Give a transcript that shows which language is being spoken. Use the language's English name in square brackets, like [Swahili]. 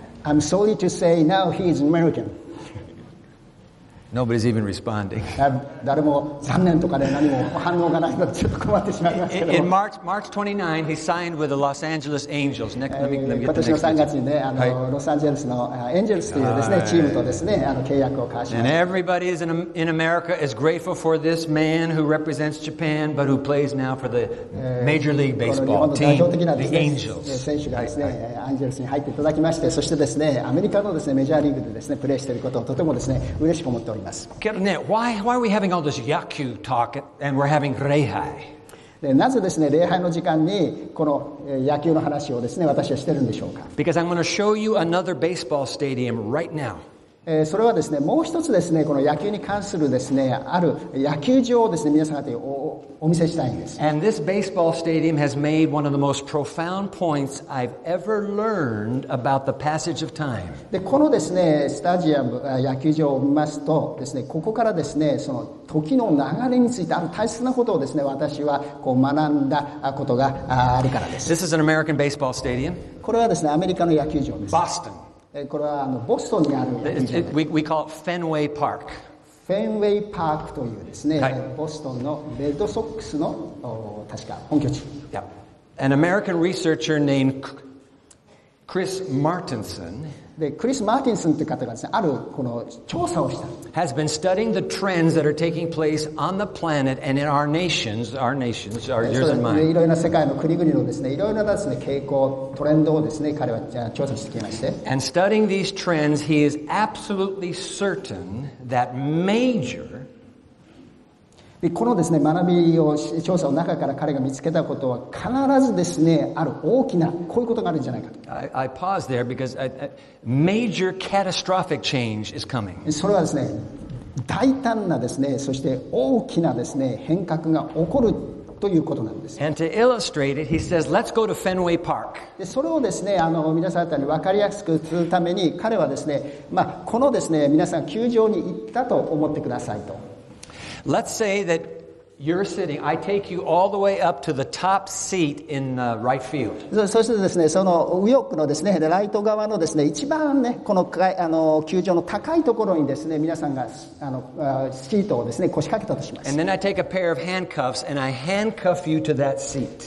[English] I'm sorry to say now he is American. Nobody's even responding. [Japanese] 誰も残念とかで何も反応がないのでちょっと困ってしまいますけど。 [English] In March 29, he signed with the Los Angeles Angels. Let me [Japanese] 今年の3月にね、あの、はい、ロサンゼルスのエンジェルスというですね、チームとですね、あの契約を交わしました。 [English] And everybody is in America is grateful for this man who represents Japan, but who plays now for the Major League Baseball team, the Angels. [Japanese] 選手がですね、はい、アンジェルスに入っていただきまして、そしてですね、アメリカのですね、メジャーリーグでですね、プレーしていることをとてもですね、嬉しく思います。けどね、 [English] why are we having all this yaku talk and we're having 礼拝？ [Japanese] なぜですね、礼拝の時間にこの野球の話をですね、私はしてるんでしょうか？ [English] Because I'm going to show you another baseball stadium right now. [Japanese] それはですね、もう一つですね、この野球に関するですね、ある野球場をですね、皆さんにお見せしたいんです。 [English] And this baseball stadium has made one of the most profound points I've ever learned about the passage of time. [Japanese] で、このですね、スタジアム、野球場を見ますとですね、ここからですね、その時の流れについてある大切なことをですね、私はこう学んだことがあるからです。 [English] This is an American baseball stadium. [Japanese] これはですね、アメリカの野球場です。 [English] Boston. [Japanese] これはあのボストンにある [English] we call it Fenway Park. [Japanese] Fenway Park というですね、 [English] right. [Japanese] ボストンのレッドソックスの確か本拠地。 [English] Yeah. An American researcher named Chris Martinson. [Japanese] でクリス・マーティンソンという方がですね、あるこの調査をした。 [English] Has been studying the trends that are taking place on the planet and in our nations, our yours and mine. [Japanese] いろいろな世界の国々のですね、いろいろなですね傾向、トレンドをですね、彼は調査してきまして。 [English] And studying these trends, he is absolutely certain that major. [Japanese] でこのですね、学びを調査の中から彼が見つけたことは必ずですね、ある大きなこういうことがあるんじゃないかと。 [English] I pause there because a major catastrophic change is coming. [Japanese] それはですね、大胆なですね、そして大きなですね、変革が起こるということなんです。 [English] And to illustrate it, he says, let's go to Fenway Park. [Japanese] でそれをですね、あの皆さん方に分かりやすくするために、彼はですね、まあ、このですね、皆さん球場に行ったと思ってくださいと。 [English] Let's say that you're sitting. I take you all the way up to the top seat in the right field. [Japanese] そしてですね、その右奥のですね、ライト側のですね、一番ね、この球場の高いところにですね、皆さんがあのシートをですね、腰掛けたとします。 [English] And then I take a pair of handcuffs and I handcuff you to that seat.